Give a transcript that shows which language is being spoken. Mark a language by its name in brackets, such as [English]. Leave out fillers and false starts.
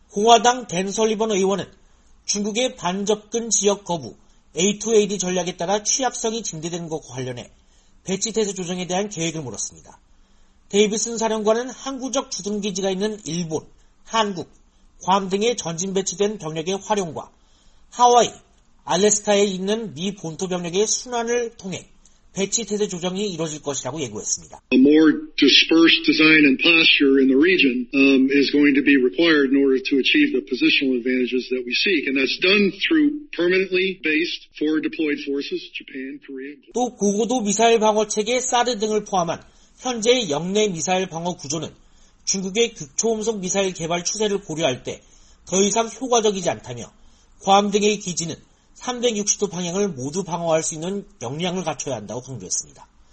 [Korean] 공화당 댄 설리번 의원은 중국의 반접근 지역 거부, A2AD 전략에 따라 취약성이 증대된 것과 관련해 배치태세 조정에 대한 계획을 물었습니다. 데이비슨 사령관은 항구적 주둔기지가 있는 일본, 한국, 괌 등의 전진 배치된 병력의 활용과 하와이, 알래스카에 있는 미 본토 병력의 순환을 통해 배치태세 조정이 이루어질 것이라고 예고했습니다. [English] A more dispersed design and posture in the region is going to be required in order to achieve the positional advantages that we seek. And that's done through permanently based forward deployed forces, Japan, Korea. [Korean] 또 고고도 미사일 방어 체계 사드 등을 포함한 현재 영내 미사일 방어 구조는 중국의 극초음속 미사일 개발 추세를 고려할 때 더 이상 효과적이지 않다며 괌 등의 기지는 360도 방향을 모두 방어할 수 있는 역량을 갖춰야 한다고 강조했습니다.